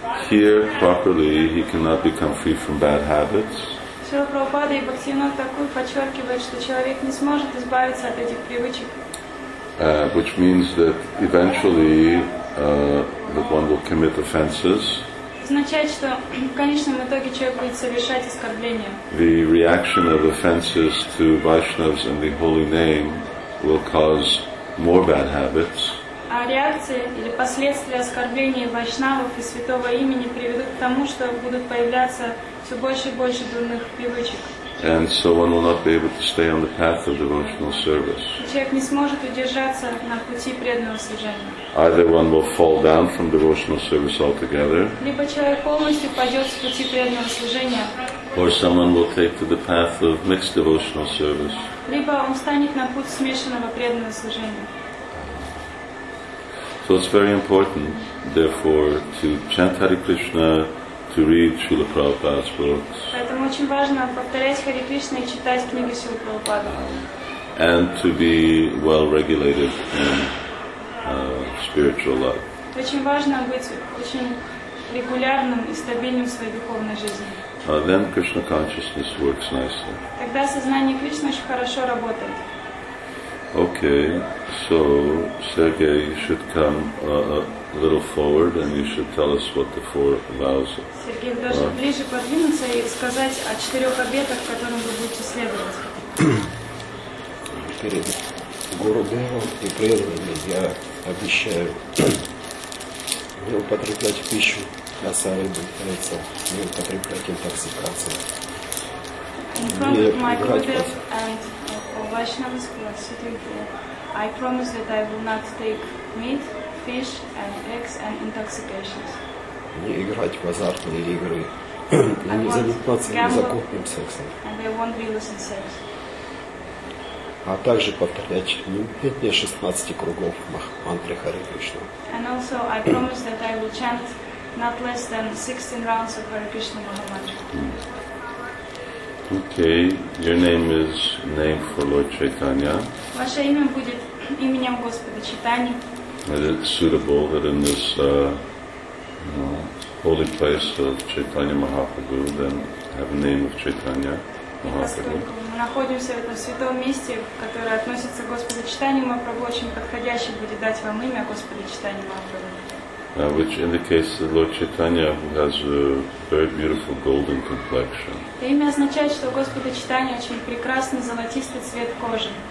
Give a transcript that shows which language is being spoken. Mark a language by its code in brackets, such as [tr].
[en] here properly, he cannot become free from bad habits. [ru] Шрила Прабхупада и Бхактивинода Такур подчеркивает, что человек не сможет избавиться от этих привычек. [en] Which means that eventually that one will commit offenses. [ru] Означает, что в конечном итоге человек будет совершать оскорбления. [en] The reaction of offenses to Vaishnavas and the holy name will cause more bad habits. [ru] А реакции или последствия оскорблений Вайшнавов и Святого Имени приведут к тому, что будут появляться все больше и больше дурных привычек. [en] And so one will not be able to stay on the path of devotional service. [ru] Человек не сможет удержаться на пути преданного служения. [en] Either one will fall down from devotional service altogether. [ru] Либо человек полностью пойдет с пути преданного служения. [en] Or someone will take to the path of mixed devotional service. [ru] Либо он встанет на путь смешанного преданного служения. [en] So it's very important, therefore, to chant Hare Krishna, to read Srila Prabhupada's books. [ru] Поэтому очень важно повторять Хари Кришна и читать книги Шрилы Прабхупады. [en] And to be well regulated in spiritual life. [ru] Очень важно быть очень регулярным и стабильным в своей духовной жизни. [en] Then Krishna consciousness works nicely. [ru] Тогда сознание Кришны очень хорошо работает. [en] Okay, so Sergey, you should come a little forward, and you should tell us what the four vows are. [ru] Сергей, вы должны ближе подвинуться и сказать о четырех обетах, которым вы будете следовать. Перед Гуру Деву и преданными я обещаю не употреблять пищу мяса, рыбы, яйца, не употреблять интоксикацию. [en] In front of my Gurudev and Vaishnavas who are sitting here, I promise that I will not take meat, fish, and eggs and intoxications. [ru] Не играть в азартные игры. И не заниматься незаконным сексом. [en] And I won't be losing sex. [ru] А также повторять не менее 16 кругов мантры Хари Кришна. [en] And also I promise that I will chant not less than 16 rounds of Hare Krishna Mahamantra. Okay, your name is name for Lord Chaitanya. [ru] Ваше имя будет именем Господа Чайтани. [en] And it's suitable that in this holy place of Chaitanya Mahaprabhu, then have a name of Chaitanya Mahaprabhu. [ru] Мы находимся в этом святом месте, которое относится к Господу Чайтани Махапрабху, очень подходящий будет дать вам имя Господа Чайтани Махапрабху. [en] Which indicates that Lord Chaitanya has a very beautiful golden complexion. [ru] Это имя означает, что Господа Чайтани очень прекрасный золотистый цвет кожи.